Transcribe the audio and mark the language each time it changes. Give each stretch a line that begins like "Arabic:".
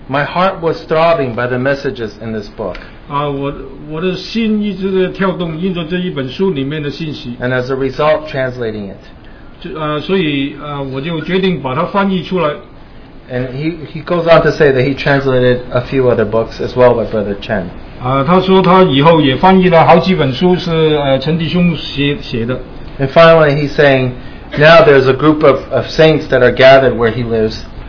English: My heart was throbbing by the messages in this book.
Chinese: 我的心一直在跳动，印着这一本书里面的信息。
English: And as a result, translating it.
Chinese: 所以我就决定把它翻译出来。
English: And he goes on to say that he translated a few other books as well by Brother Chen.
Chinese: 他说他以后也翻译了好几本书是陈弟兄写的。
English: And finally he's saying, now there's a group of saints that are gathered where he lives.